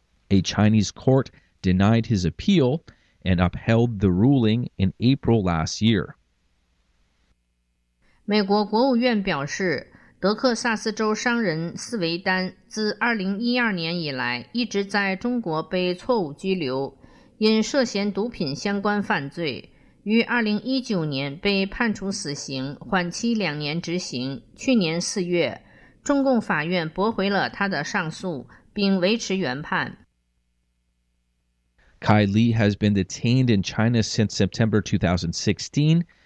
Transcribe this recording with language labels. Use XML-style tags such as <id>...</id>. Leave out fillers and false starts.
<en>A Chinese court denied his appeal and upheld the ruling in April last year.</en> <zh>美国国务院表示，德克萨斯州商人斯维丹自2012年以来一直在中国被错误拘留，因涉嫌毒品相关犯罪，于2019年被判处死刑，缓期两年执行。去年4月，中共法院驳回了他的上诉，并维持原判。</zh> <en>Kai Li has been detained in China since September 2016.</en>